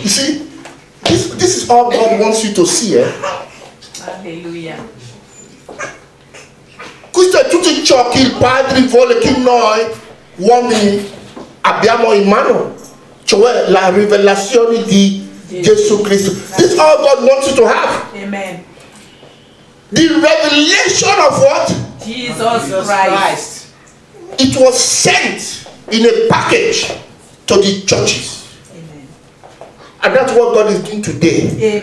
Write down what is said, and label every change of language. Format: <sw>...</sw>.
<en>You see, this is all God wants you to see. Eh?</en> <it>Alleluia. Questo è tutto ciò che il Padre vuole che noi uomini abbiamo in mano, cioè la rivelazione di Gesù Cristo.</it> <en>This is all God wants you to have. Amen. The revelation of what? Jesus Christ. It was sent in a package to the churches. Amen. And that's what God is doing today.</en>